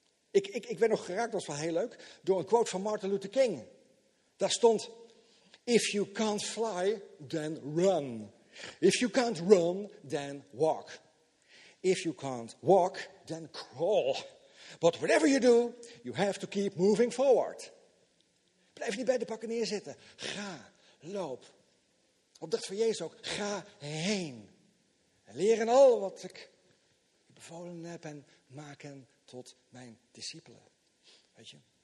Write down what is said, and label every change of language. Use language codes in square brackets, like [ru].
[nl] Ik werd nog geraakt, dat was wel heel leuk, door een quote van Martin Luther King. Daar stond, [en] if you can't fly, then run. If you can't run, then walk. If you can't walk, then crawl. But whatever you do, you have to keep moving forward. [nl] Blijf niet bij de pakken neerzitten. Ga, loop. Opdracht van Jezus ook, ga heen. En leer in al wat ik bevolen heb en maak hen tot mijn discipelen. Weet je?